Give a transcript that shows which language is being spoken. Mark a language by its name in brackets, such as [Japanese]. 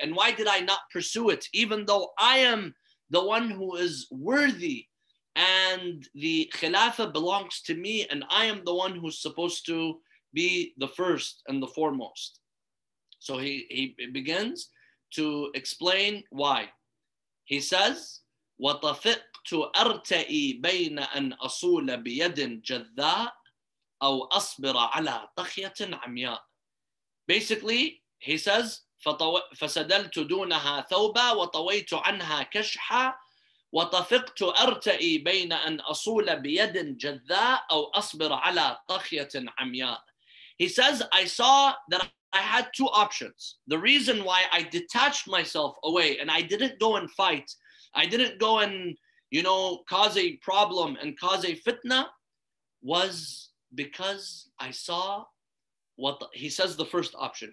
[English] And why did I not pursue it? Even though I am the one who is worthy and the khilafah belongs to me and I am the one who's supposed to be the first and the foremost. So he begins to explain why. He says, [Arabic] وَطَفِقْتُ أَرْتَئِي بَيْنَ أَنْ أَصُولَ بِيَدٍ جَذَّاءٍ أَوْ أَصْبِرَ عَلَى طَخْيَةٍ عَمْيَاءٍ. [English] Basically, he says, [Arabic] فَسَدَلْتُ دُونَهَا ثَوْبًا وَطَوَيْتُ عَنْهَا كَشْحًا وَطَفِقْتُ أَرْتَئِي بَيْنَ أَنْ أَصُولَ بِيَدٍ جَذَّاءٍ أَوْ أَصْبِرَ عَلَى طَخْيَةٍ عَمْيَاءٍ. [English] He says, I saw that I had two options. The reason why I detached myself away and I didn't go and fight, I didn't go and, you know, cause a problem and cause a fitna was because I saw what he says the first option.